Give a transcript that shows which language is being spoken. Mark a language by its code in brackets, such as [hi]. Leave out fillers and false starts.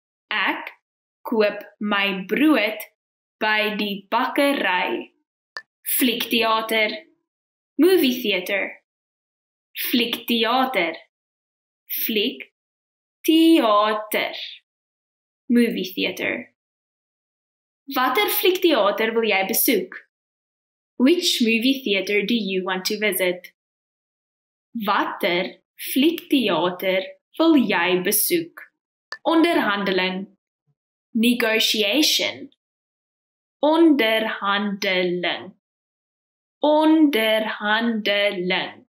[af] Ek koop my brood by die bakkery. Fliekteater. [en] Movie theater. Fliek theater. Fliek Theater. Movie theater. [af] Watter fliektheater wil jy besoek? [en] Which movie theater do you want to visit? [af] Watter fliektheater wil jy besoek? Onderhandeling. Negotiation. Onderhandeling. Onderhandeling.